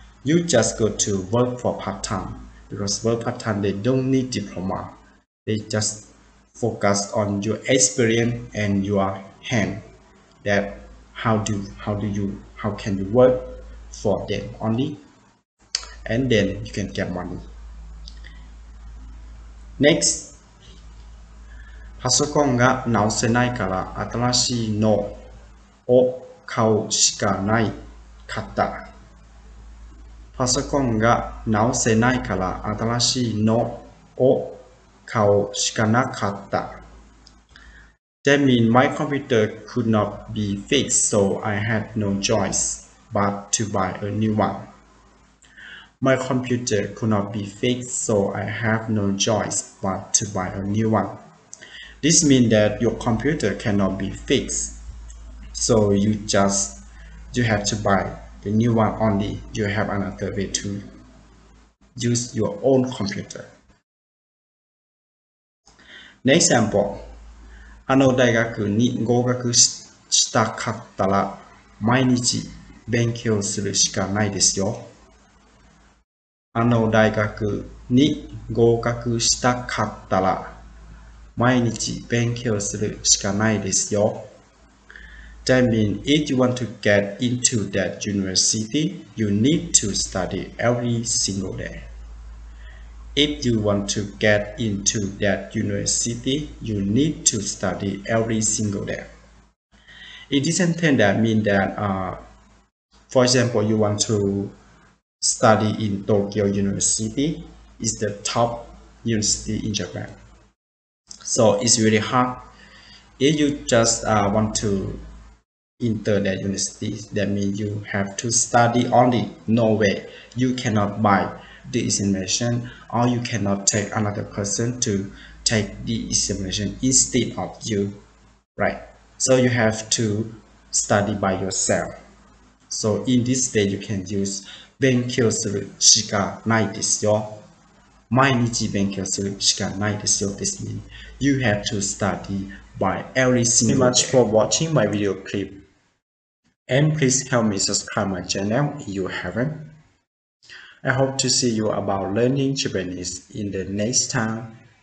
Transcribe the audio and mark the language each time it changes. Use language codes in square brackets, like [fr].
[en] You just go to work for part-time, because work part-time, they don't need diploma. They just focus on your experience and your hand. That how can you work for them only, and then you can get money. [ja] Next, パソコンが直せないから新しいのを買うしかないかった. パソコンが直せないから新しいのを買うしかなかった. [en] That means my computer could not be fixed, so I had no choice but to buy a new one. My computer could not be fixed, so I have no choice but to buy a new one. This means that your computer cannot be fixed, so you have to buy the new one only. You have another way to use your own computer. Next example. [ja] あの大学に合格したかったら毎日勉強するしかないですよ。あの大学に合格したかったら、毎日勉強するしかないですよ。 [en] That means if you want to get into that university, you need to study every single day. If you want to get into that university, you need to study every single day. It doesn't mean that, for example, you want to study in Tokyo University, it's the top university in Japan. So it's really hard. If you just want to enter that university, that means you have to study only. No way. You cannot buy the examination, or you cannot take another person to take the examination instead of you, right? So you have to study by yourself. So in this way, you can use [ja] 勉強するしかないですよ。毎日勉強するしかないですよ。 [en] This means you have to study by every single day. Thank you much for watching my video clip. And please help me subscribe my channel if you haven't. I hope to see you about learning Japanese in the next time.